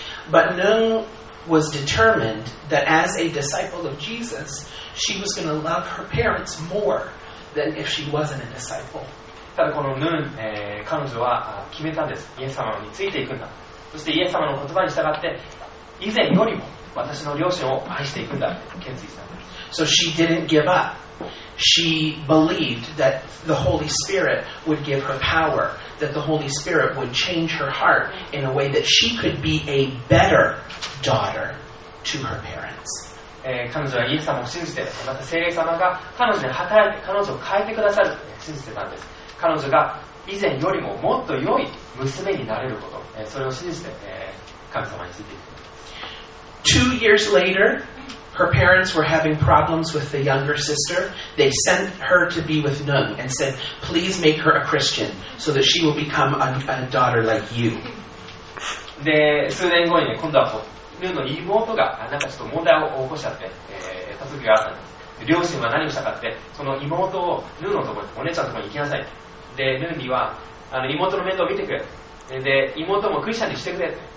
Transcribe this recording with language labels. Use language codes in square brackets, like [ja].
[en] But Nun was determined that as a disciple of Jesus she was going to love her parents more than if she wasn't a disciple. [ja] ただこのヌン、彼女は決めたんです。イエス様についていくんだ、そしてイエス様の言葉に従って以前よりも私の両親を愛していくんだと決意したんです。 [en] So she didn't give up. She believed that the Holy Spirit would give her power, that the Holy Spirit would change her heart in a way that she could be a better daughter to her parents. [ja] 彼女はイエス様を信じて、また聖霊様が彼女に働いて彼女を変えてくださると信じてたんです。彼女が以前よりももっと良い娘になれること、それを信じて、神様についていく。 [en] 2 years later, her parents were having problems with the younger sister. They sent her to be with Nun and said, please make her a Christian so that she will become a daughter like you. [ja] で、数年後にね、今度はこう、ヌンの妹がなんかちょっと問題を起こしちゃって、た時があったんです。両親は何をしたかって、その妹をヌンのところに、お姉ちゃんのところに行きなさい。で、ヌンには、妹の面倒を見てくれ。で、妹もクリスチャンにしてくれ。